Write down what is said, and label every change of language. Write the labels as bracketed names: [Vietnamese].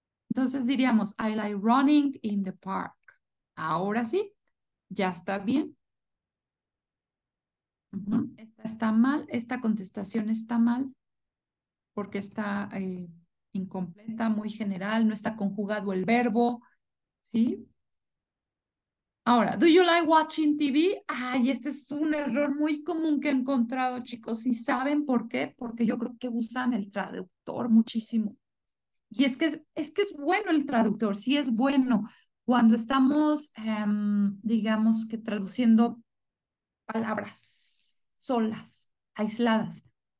[Spanish] Entonces diríamos, [English] I like running in the park. [Spanish] Ahora sí, ya está bien. Esta está mal, esta contestación está mal porque está incompleta, muy general, no está conjugado el verbo, ¿sí? Ahora, [English] do you like watching TV? [Spanish] Ay, este es un error muy común que he encontrado, chicos. ¿Y saben por qué? Porque yo creo que usan el traductor muchísimo. Y es que es bueno el traductor, sí es bueno. Cuando estamos, digamos que traduciendo palabras solas, aisladas.